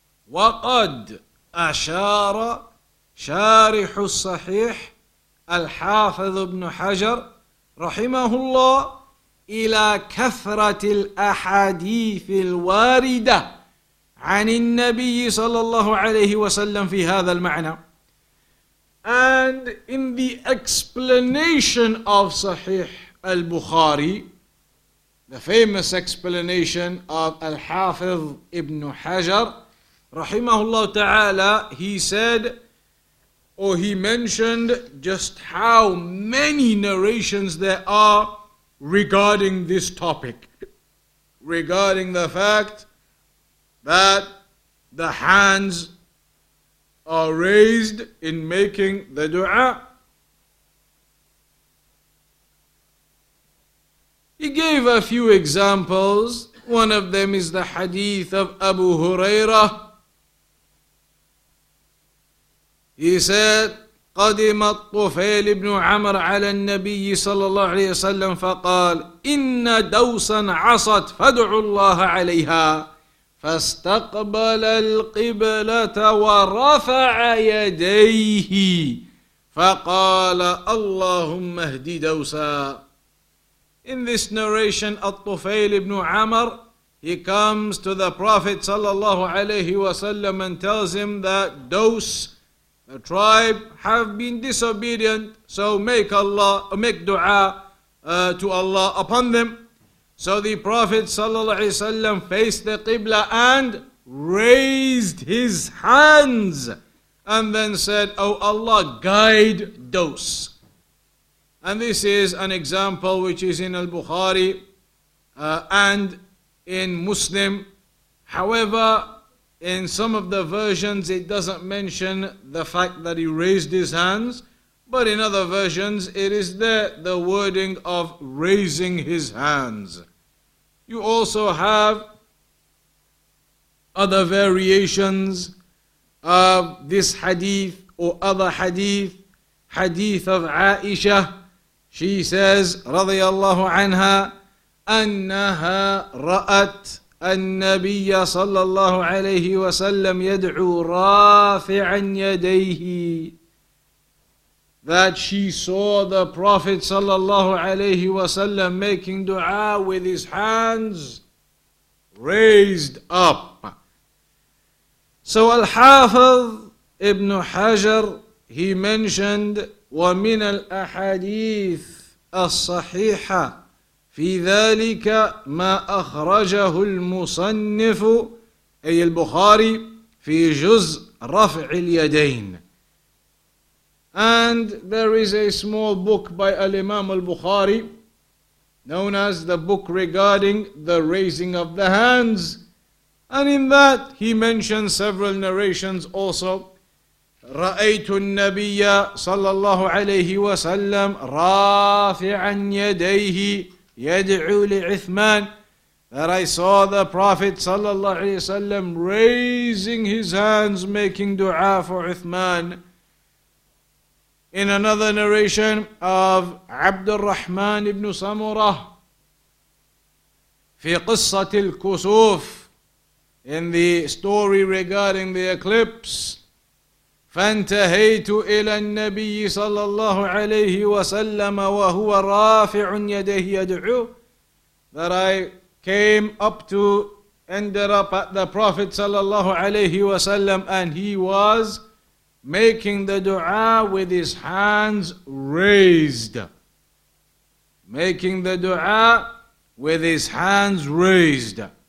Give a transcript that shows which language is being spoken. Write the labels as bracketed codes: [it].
[ar] وقد أشار شارح الصحيح الحافظ ابن حجر رحمه الله إلى كثرة الأحاديث الواردة عن النبي صلى الله عليه وسلم في هذا المعنى. [en] And in the explanation of صحيح البخاري, the famous explanation of الحافظ ابن حجر [ar] رحمه الله تعالى, [en] he said, or he mentioned just how many narrations there are regarding this topic, regarding the fact that the hands are raised in making the dua. He gave a few examples. One of them is the hadith of Abu Hurairah. He said, [ar] قدم الطفيل بن عمر على النبي صلى الله عليه وسلم فقال إن دوسا عصت فادعوا الله عليها فاستقبل القبلة ورفع يديه فقال اللهم اهد دوسا. [en] In this narration, الطفيل بن عمر, he comes to the Prophet صلى الله عليه وسلم and tells him that Dous, the tribe, have been disobedient, so make dua to Allah upon them. So the Prophet ﷺ faced the Qibla and raised his hands and then said, O Allah, guide Dous. And this is an example which is in Al-Bukhari and in Muslim. However, in some of the versions, it doesn't mention the fact that he raised his hands, but in other versions, it is there, the wording of raising his hands. You also have other variations of this hadith or other hadith, hadith of Aisha. She says, [ar] رضي الله عنها, أنها رأت النبي صلى الله عليه وسلم يدعو رافعا يديه. [en] That she saw the Prophet صلى الله عليه وسلم making dua with his hands raised up. So الحافظ ابن حجر, he mentioned, [ar] ومن الأحاديث الصحيحة في ذلك ما أخرجه المصنف أي البخاري في جزء رفع اليدين. [en] And there is a small book by Al-Imam al-Bukhari known as the book regarding the raising of the hands. And in that he mentions several narrations also. [ar] رأيت النبي صلى الله عليه وسلم رافعا يديه يدعو لعثمان. [en] That I saw the Prophet صلى الله عليه وسلم raising his hands, making dua for Uthman. In another narration of عبد الرحمن بن سمرة [ar] في قصة الكسوف, [en] in the story regarding the eclipse, [ar] فانتهيت إلى النبي صلى الله عليه وسلم وهو رافع يديه يدعو. [en] That I came up to, ended up at the Prophet صلى الله عليه وسلم, and he was making the dua with his hands raised. Making the dua with his hands raised.